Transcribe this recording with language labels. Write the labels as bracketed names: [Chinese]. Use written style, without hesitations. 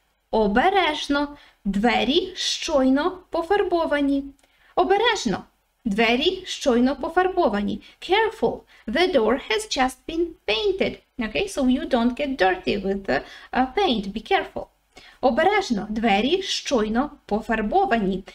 [Ukrainian] Обережно, двері щойно пофарбовані. Обережно, двері щойно пофарбовані. [English] Careful, the door has just been painted. Okay, so you don't get dirty with the paint. Be careful. [Ukrainian] Обережно, двері щойно пофарбовані.